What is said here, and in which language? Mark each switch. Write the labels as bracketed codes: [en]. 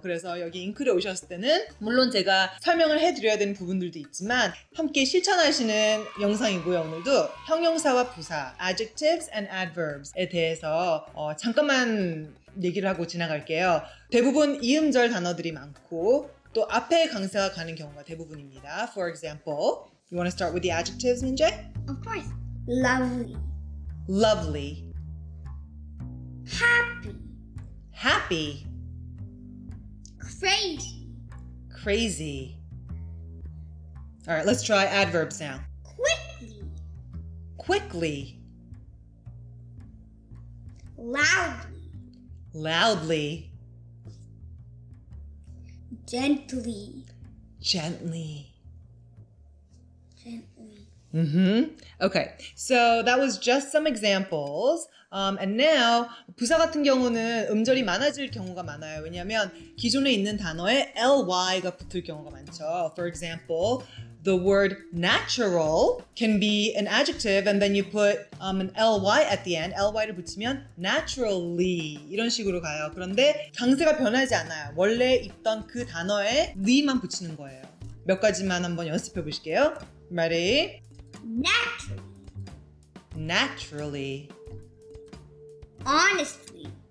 [ko] 그래서 여기 잉클에 오셨을 때는 물론 제가 설명을 해드려야 되는 부분들도 있지만 함께 실천하시는 영상이고요. 오늘도 형용사와 부사, [en] adjectives and adverbs [ko] 에 대해서 잠깐만 얘기를 하고 지나갈게요. 대부분 이음절 단어들이 많고 또 앞에 강세가 가는 경우가 대부분입니다. [en] For example, you want to start with the adjectives, Minjae? Of course. Lovely. Lovely. Happy. Happy. Crazy. Crazy. All right, let's try adverbs now. Quickly. Quickly. Loudly. Loudly. Gently. Gently. Gently. Mm-hmm. Okay, so that was just some examples. And now, [ko] 부사 같은 경우는 음절이 많아질 경우가 많아요. 왜냐하면 기존에 있는 단어에 ly가 붙을 경우가 많죠. For example, the word natural can be an adjective and then you put an ly at the end. ly를 붙이면 naturally 이런 식으로 가요. 그런데 강세가 변하지 않아요. 원래 있던 그 단어에 ly만 붙이는 거예요. 몇 가지만 한번 연습해 보실게요. [en] Ready? Naturally. Honestly.